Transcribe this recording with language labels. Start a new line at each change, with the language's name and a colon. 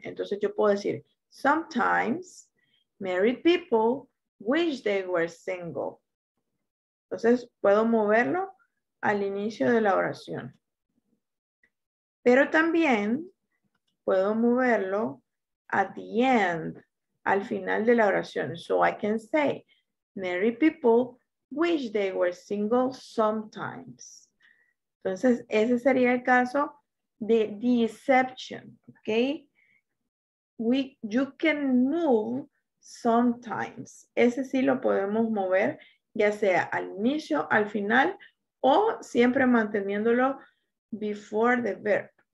Spanish: Entonces yo puedo decir,
English: sometimes married people wish they were single.
Spanish: Entonces puedo moverlo al inicio de la oración. Pero también puedo moverlo
English: at the end,
Spanish: al final de la oración.
English: So I can say, married people wish they were single sometimes.
Spanish: Entonces, ese sería el caso de deception, okay?
English: You can move sometimes.
Spanish: Ese sí lo podemos mover, ya sea al inicio, al final, o siempre manteniéndolo
English: before the verb.